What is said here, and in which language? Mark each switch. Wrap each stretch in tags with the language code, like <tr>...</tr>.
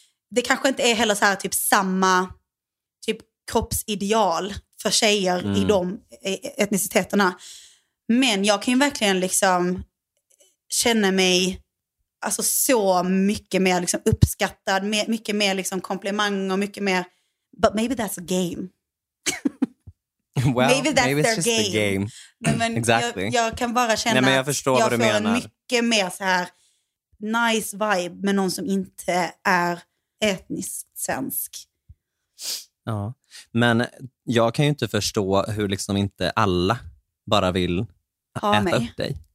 <sv>Det kanske inte är heller så här typ samma typ kroppsideal för tjejer i de etniciteterna. Men jag kan ju verkligen liksom känna mig alltså så mycket mer liksom uppskattad, mycket mer liksom komplimang och mycket mer,</sv> <en>but maybe that's a game. Well, maybe that's maybe their game. The game.</en> <sv>Men exactly. Jag kan bara känna att jag förstår vad du menar. En mycket mer så här nice vibe med någon som inte är etniskt svensk. Ja, men jag kan ju inte förstå hur liksom inte alla bara vill ha äta mig. Upp dig.</sv>